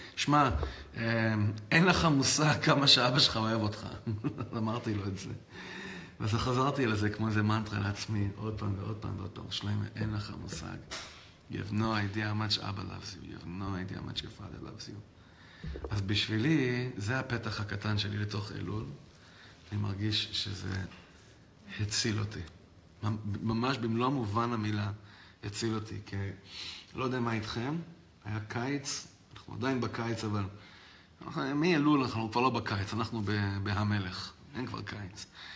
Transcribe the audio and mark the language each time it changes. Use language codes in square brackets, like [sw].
[he] שמע, אין לך מושג כמה שאבא שלך אוהב אותך. אמרתי לו את זה. ואז חזרתי על זה כמו איזה מנטרה לעצמי, עוד פעם ועוד פעם ועוד פעם. שלמה, אין לך מושג. [en] You have no idea much abba loves you. You have no idea much your father loves you. [he] אז בשבילי, זה הפתח הקטן שלי לתוך אלול. אני מרגיש שזה הציל אותי. ממש במלוא מובן המילה. הציל אותי, כי לא יודע מה איתכם, היה קיץ, אנחנו עדיין בקיץ, אבל מי אלול, אנחנו כבר לא בקיץ, אנחנו בהמלך, אין כבר קיץ.